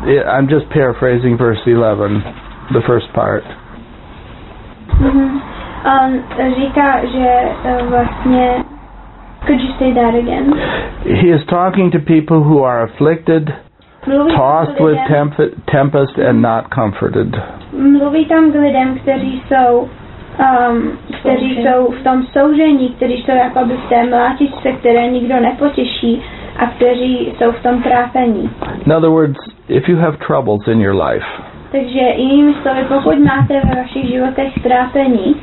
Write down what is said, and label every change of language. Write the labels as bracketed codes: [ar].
[en] I'm just paraphrasing verse 11, the first part. [cs] Mm-hmm. Říká, že vlastně... [en] Could you say that again? He is talking to people who are afflicted, tossed with tempest and not comforted. [cs] Mluví tam k lidem, kteří jsou v tom soužení, kteří jsou jakoby v té mlátičce, které nikdo nepotěší a kteří jsou v tom trápení. [en] In other words, if you have troubles in your life, [cs] takže jinými slovy, pokud máte ve vašich životech trápení,